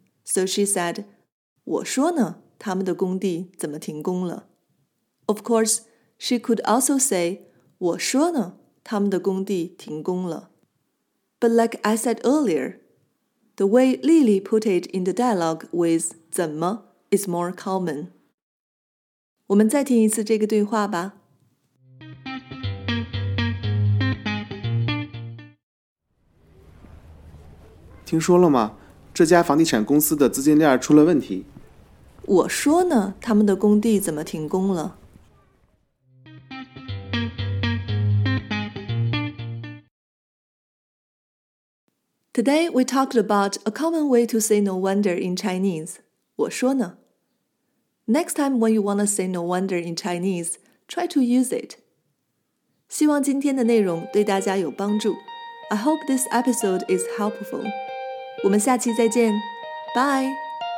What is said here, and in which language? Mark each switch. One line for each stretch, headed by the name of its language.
English: So she said,
Chinese: 我说呢,他们的工地怎么停工了?
English: Of course, she could also say,
Chinese: 我说呢,他们的工地停工了。
English: But like I said earlier, the way Lily put it in the dialogue with 怎么is more common.
Chinese: 我们再听一次这个对话吧。听说了吗? 这家房地产公司的资金链出了问题。我说呢,他们的工地怎么停工了?
English: Today we talked about a common way to say no wonder in Chinese.
Chinese: 我说呢。
English: Next time when you want to say no wonder in Chinese, try to use it.
Chinese: 希望今天的内容对大家有帮助。
English: I hope this episode is helpful.
Chinese: 我们下期再见。
English: Bye!